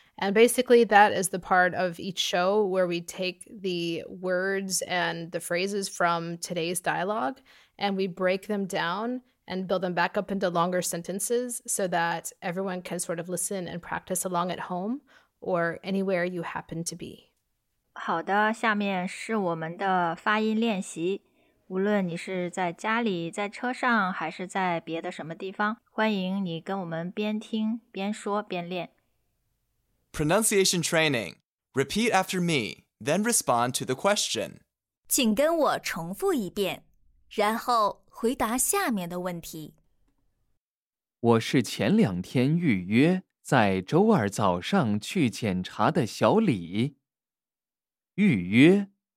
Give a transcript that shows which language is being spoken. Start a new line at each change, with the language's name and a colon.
English: And basically that is the part of each show where we take the words and the phrases from today's dialogue and we break them down and build them back up into longer sentences so that everyone can sort of listen and practice along at home or anywhere you happen to be.
Chinese: 好的，下面是我们的发音练习。无论你是在家里、在车上还是在别的什么地方，欢迎你跟我们边听边说边练。
English: Pronunciation training. Repeat after me, then respond to the question.
Chinese: 请跟我重复一遍，然后回答下面的问题。我是前两天预约在周二早上去检查的小李。预约。